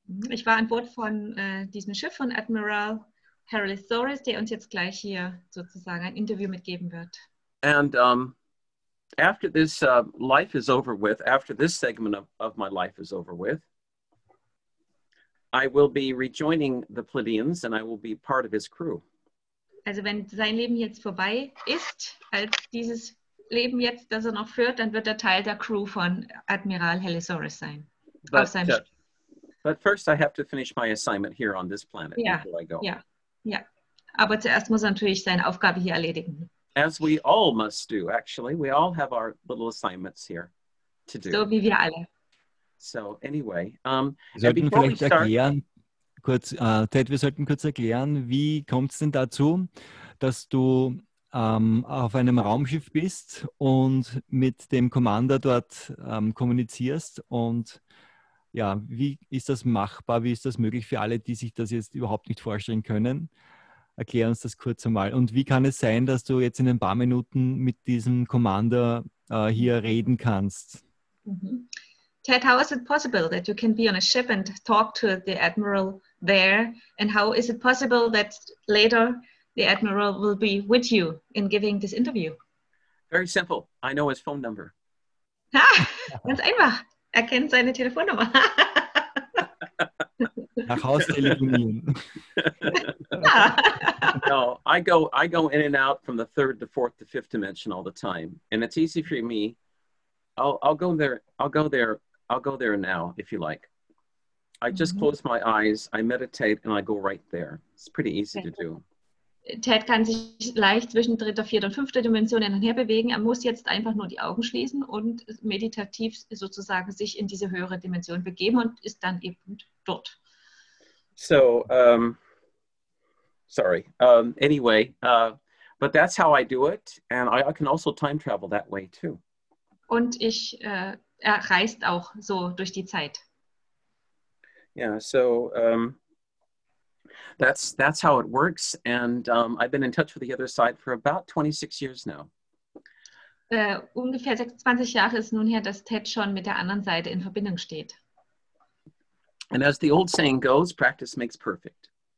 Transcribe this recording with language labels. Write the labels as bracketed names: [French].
[German] Ich war an Bord von diesem Schiff von Admiral Harrelithoris, der uns jetzt gleich hier sozusagen ein Interview mitgeben wird. [English] And after this life is over with, after this segment of my life is over with, I will be rejoining the Pleiadians and I will be part of his crew. [German] Also wenn sein Leben jetzt vorbei ist, als dieses Leben jetzt, das er noch führt, dann wird er Teil der Crew von Admiral Harrelithoris sein. [English] But first I have to finish my assignment here on this planet before I go. Yeah. [German] Aber zuerst muss er natürlich seine Aufgabe hier erledigen. [English] As we all must do, actually. We all have our little assignments here to do. [German] So wie wir alle. [English] So anyway. [German] Wir sollten kurz erklären, wie kommt es denn dazu, dass du auf einem Raumschiff bist und mit dem Commander dort kommunizierst und ja, wie ist das machbar? Wie ist das möglich für alle, die sich das jetzt überhaupt nicht vorstellen können? Erklär uns das kurz einmal. Und wie kann es sein, dass du jetzt in ein paar Minuten mit diesem Commander hier reden kannst? [English] Ted, how is it possible that you can be on a ship and talk to the Admiral there? And how is it possible that later the Admiral will be with you in giving this interview? Very simple. I know his phone number. [German] Ganz einfach. Er kennt seine Telefonnummer. Nach Haus telefonieren. [English] No, I go in and out from the third to fourth to fifth dimension all the time. And it's easy for me. I'll go there now, if you like. I just close my eyes, I meditate, and I go right there. It's pretty easy to do. [German] Ted kann sich leicht zwischen dritter, vierter und fünfter Dimension hin und her bewegen. Er muss jetzt einfach nur die Augen schließen und meditativ sozusagen sich in diese höhere Dimension begeben und ist dann eben dort. [English] So, but that's how I do it. And I can also time travel that way too. [German] Und ich, er reist auch so durch die Zeit. Yeah, so... [English] That's how it works, and I've been in touch with the other side for about 26 years now. [German] Ungefähr 26 Jahre ist nun her, dass Ted schon mit der anderen Seite in Verbindung steht. [English] And as the old saying goes, practice makes perfect.